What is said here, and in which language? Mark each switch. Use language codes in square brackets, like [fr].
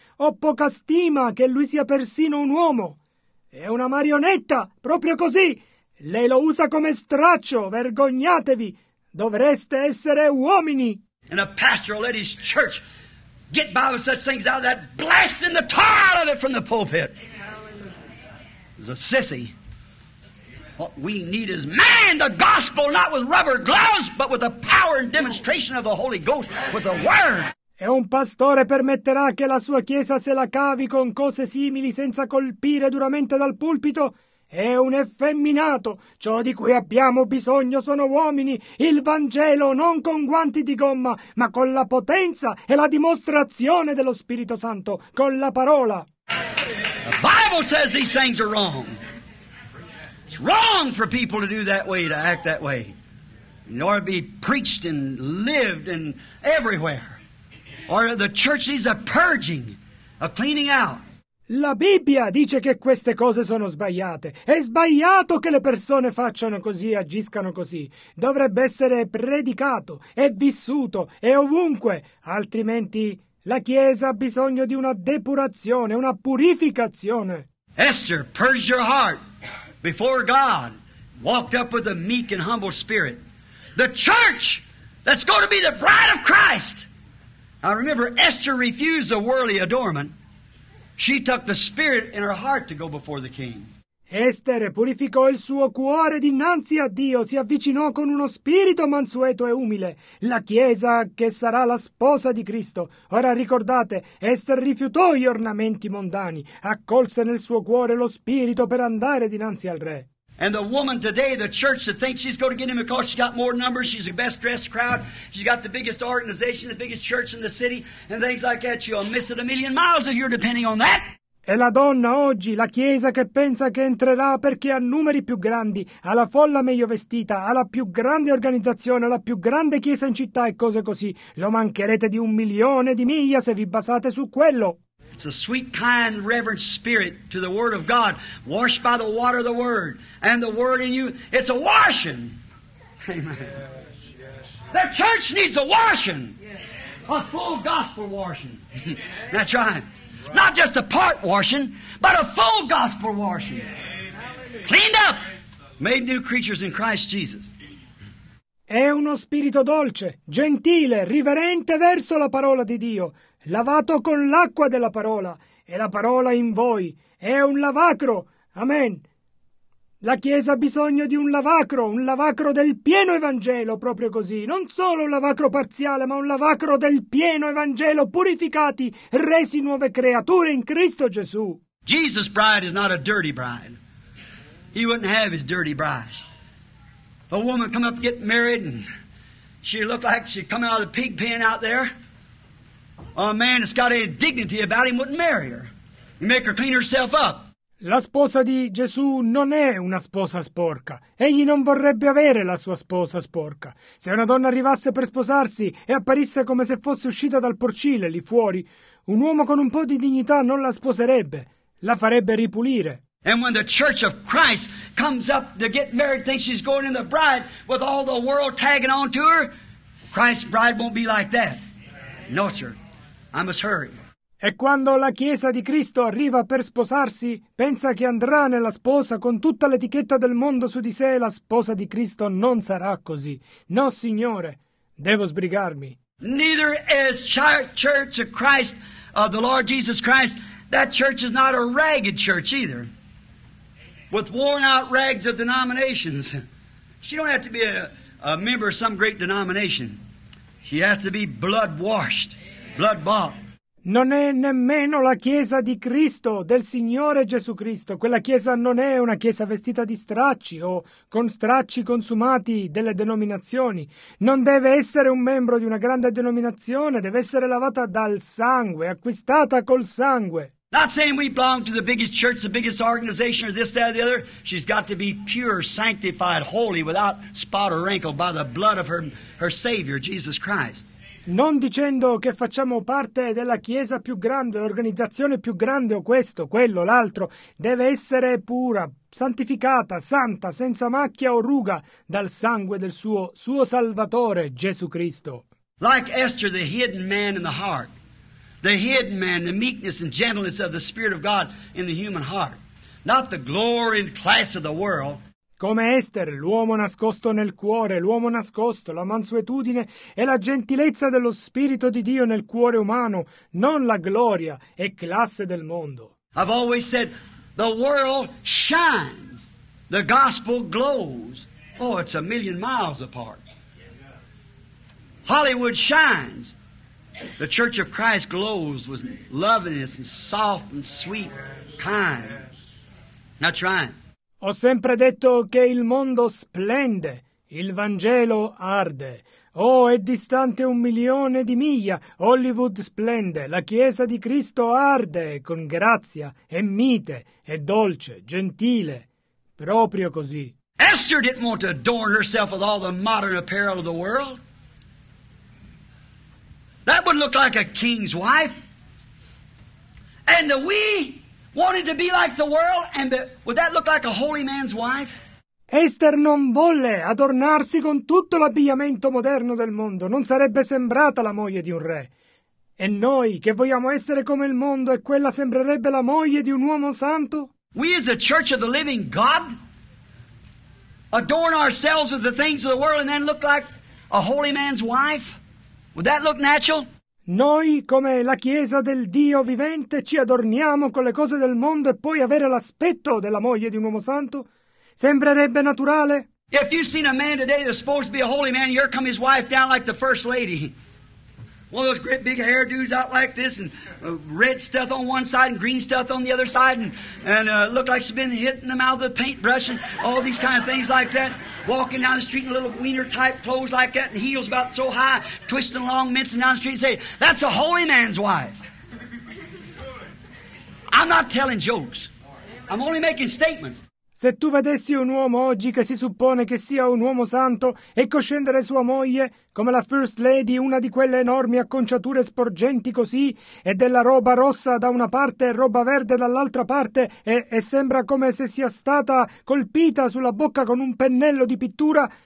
[it] Ho poca stima che lui sia persino un uomo. È una marionetta, proprio così. Lei lo usa come straccio, vergognatevi. Dovreste essere uomini. [en] And a pastor led his church. Get by with such things out of that, blasting the tar out of it from the pulpit. It's a sissy. What we need is man, the gospel, not with rubber gloves, but with the power and demonstration of the Holy Ghost, with the Word. [it] E un pastore permetterà che la sua chiesa se la cavi con cose simili senza colpire duramente dal pulpito? È un effeminato. Ciò di cui abbiamo bisogno sono uomini. Il Vangelo non con guanti di gomma, ma con la potenza e la dimostrazione dello Spirito Santo, con la parola. [en] The Bible says these things are wrong. It's wrong for people to do that way, to act that way. Nor be preached and lived and everywhere. Or the church needs a purging, a cleaning out. [it] La Bibbia dice che queste cose sono sbagliate. È sbagliato che le persone facciano così e agiscano così. Dovrebbe essere predicato e vissuto e ovunque. Altrimenti la Chiesa ha bisogno di una depurazione, una purificazione. [en] Esther, purge your heart before God. Walked up with a meek and humble spirit. The church that's going to be the bride of Christ. I remember Esther refused a worldly adornment. She took the spirit in her heart to go before the king. [it] Ester purificò il suo cuore dinanzi a Dio, si avvicinò con uno spirito mansueto e umile, la Chiesa che sarà la sposa di Cristo. Ora ricordate, Ester rifiutò gli ornamenti mondani, accolse nel suo cuore lo spirito per andare dinanzi al re. [en] And the woman today, the church that thinks she's going to get him because she's got more numbers, she's the best dressed crowd, she's got the biggest organization, the biggest church in the city, and things like that, you'll miss it a million miles if you're depending on that. [it] E la donna oggi, la chiesa che pensa che entrerà perché ha numeri più grandi, ha la folla meglio vestita, ha la più grande organizzazione, ha la più grande chiesa in città e cose così, lo mancherete di un milione di miglia se vi basate su quello. [en] It's a sweet, kind, reverent spirit to the Word of God, washed by the water of the Word, and the Word in you. It's a washing. Amen. Yes, yes. The church needs a washing. Yes. A full gospel washing. Amen. That's right. Not just a part washing, but a full gospel washing. Amen. Cleaned up. Made new creatures in Christ Jesus. [it] È uno spirito dolce, gentile, riverente verso la parola di Dio. Lavato con l'acqua della parola, e la parola in voi è un lavacro. Amen. La Chiesa ha bisogno di un lavacro del pieno Evangelo, proprio così. Non solo un lavacro parziale, ma un lavacro del pieno Evangelo, purificati, resi nuove creature in Cristo Gesù. [en] Jesus' bride is not a dirty bride. He wouldn't have his dirty bride. A woman come up getting married, and she looked like she'd come out of the pig pen out there. A man that's got any dignity about him wouldn't marry her. He'd make her clean herself up. [it] La sposa di Gesù non è una sposa sporca. Egli non vorrebbe avere la sua sposa sporca. Se una donna arrivasse per sposarsi e apparisse come se fosse uscita dal porcile lì fuori, un uomo con un po' di dignità non la sposerebbe, la farebbe ripulire. [en] And when the church of Christ comes up to get married, thinks she's going in the bride with all the world tagging on to her, Christ's bride won't be like that. No, sir. I must hurry. [it] E quando la Chiesa di Cristo arriva per sposarsi, pensa che andrà nella sposa con tutta l'etichetta del mondo su di sé, la sposa di Cristo non sarà così. No, Signore, devo sbrigarmi. [en] Neither is Church of Christ, of the Lord Jesus Christ, that church is not a ragged church either. With worn out rags of denominations. She don't have to be a member of some great denomination. She has to be blood washed, blood bought. [it] Non è nemmeno la Chiesa di Cristo, del Signore Gesù Cristo. Quella Chiesa non è una Chiesa vestita di stracci o con stracci consumati delle denominazioni. Non deve essere un membro di una grande denominazione, deve essere lavata dal sangue, acquistata col sangue. [en] Not saying we belong to the biggest church, the biggest organization, or this, that, or the other. She's got to be pure, sanctified, holy, without spot or wrinkle, by the blood of her Savior, Jesus Christ. [it] Non dicendo che facciamo parte della chiesa più grande, l'organizzazione più grande o questo, quello, l'altro, deve essere pura, santificata, santa, senza macchia o ruga, dal sangue del suo Salvatore, Gesù Cristo. [en] Like Esther, the hidden man in the heart, the hidden man, the meekness and gentleness of the Spirit of God in the human heart, not the glory and class of the world. [it] Come Ester, l'uomo nascosto nel cuore, l'uomo nascosto, la mansuetudine e la gentilezza dello Spirito di Dio nel cuore umano, non la gloria e classe del mondo. [en] I've always said, the world shines, the gospel glows. Oh, it's a million miles apart. Hollywood shines, the church of Christ glows with loveliness and soft and sweet, kind. Not trying. [it] Ho sempre detto che il mondo splende, il Vangelo arde. Oh, è distante un milione di miglia. Hollywood splende, la Chiesa di Cristo arde con grazia, è mite, è dolce, gentile, proprio così. [en] Esther didn't want to adorn herself with all the modern apparel of the world. That would look like a king's wife. And we wanted to be like the world, and would that look like a holy man's wife? [it] Ester non volle adornarsi con tutto l'abbigliamento moderno del mondo. Non sarebbe sembrata la moglie di un re. E noi, che vogliamo essere come il mondo, e quella sembrerebbe la moglie di un uomo santo? [en] We as a church of the living God adorn ourselves with the things of the world and then look like a holy man's wife? Would that look natural? [it] Noi, come la Chiesa del Dio vivente, ci adorniamo con le cose del mondo e poi avere l'aspetto della moglie di un uomo santo? Sembrerebbe naturale? [en] If you've seen a man today that's supposed to be a holy man, here come his wife down like the first lady. One of those great big hair dudes out like this, and red stuff on one side and green stuff on the other side, and looked like she's been hit in the mouth with a paintbrush and all these kind of things like that. Walking down the street in little wiener-type clothes like that and heels about so high, twisting along, mincing down the street and say, that's a holy man's wife. I'm not telling jokes. I'm only making statements. [it] Se tu vedessi un uomo oggi che si suppone che sia un uomo santo, ecco scendere sua moglie, come la First Lady, una di quelle enormi acconciature sporgenti così, e della roba rossa da una parte e roba verde dall'altra parte, e sembra come se sia stata colpita sulla bocca con un pennello di pittura,